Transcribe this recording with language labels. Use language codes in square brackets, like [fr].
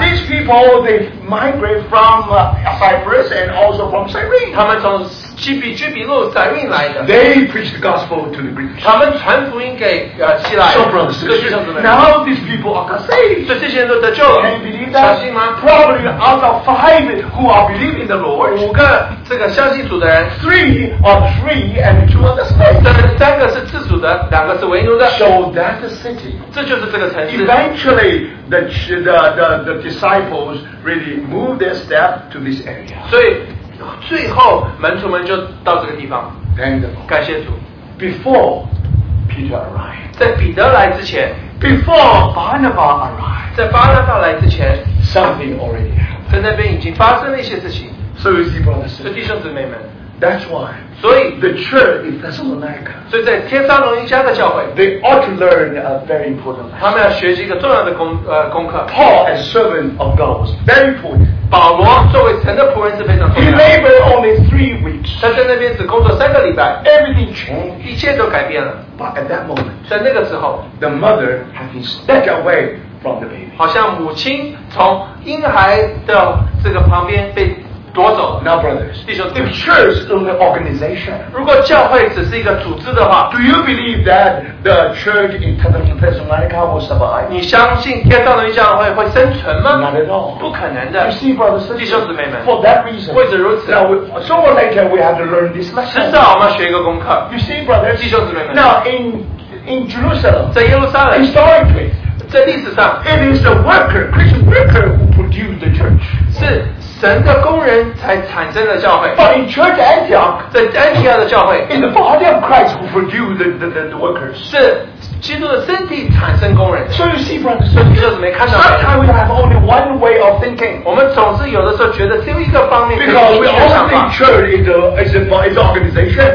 [en] These people they migrate from Cyprus and also from Cyrene [zh] 他们从居比路载运来的 [en] They preach the gospel to the Greeks [zh] 他们传福音给希腊人 [en] So brothers Now these people are saved [zh] 所以这些人都得救了 [en] Can you believe that? [zh] 相信吗 [en] Probably out of five who are believing the Lord [zh] 五个这个相信主的人 [en] Three and two are the saved [zh] 这三个是自主的两个是为奴的 [en] So that's the city [zh] 这就是这个城市 [en] Eventually the disciples really move their step to this area [zh] 所以最后门徒们就到这个地方 感谢主 [en] Before Peter arrived [zh] 在彼得来之前 [en] Before Barnabas arrived [zh] 在巴拿巴来之前 [en] Something already happened [zh] 在那边已经发生了一些事情 [en] So you see brothers [zh] 所以弟兄姊妹们 [en] That's why [zh] 所以 [en] The church in Thessalonica [zh] 所以在帖撒罗尼迦的教会 [en] They ought to learn a very important lesson [zh] 他们要学习一个重要的 功课 [en] Paul as servant of God was very important [zh] 保罗作为神的仆人是非常重要的。 [en] He labored only 3 weeks. [zh] 他在那边只工作三个礼拜。 [en] Everything changed. [zh] 一切都改变了。 [en] But at that moment, [zh] 在那个时候 [en] ，the mother had been snatched away from the baby. [zh] 好像母亲从婴孩的这个旁边被。 [en] Now, brothers, [zh] 弟兄, [en] if church is only an organization, [zh] 如果教会只是一个组织的话, [en] do you believe that the church in Tabernacle Thessalonica will survive? [zh] 你相信天道的教会会生存吗? [en] Not at all. [zh] 不可能的, [en] you see, brothers and sisters, [zh] 弟兄姊妹们, [en] for that reason, [zh] 或者如此, [en] now, somewhat later, we have to learn this lesson. [zh] 迟早我们要学一个功课, [en] you see, brothers, [zh] 弟兄姊妹们, [en] now, in Jerusalem, [zh] 在耶路撒冷, [en] historically, [zh] 在历史上, [en] it is the worker, Christian worker, who produced the church. [zh] 是神的工人才产生了教会, [en] but in church Antioch, [zh] 在安提阿的教会, [en] in the body of Christ, who produced the workers. [zh] 是基督的身体产生工人, [en] so you see, brothers, sometimes we have only one way of thinking. Because we only think church is an organization.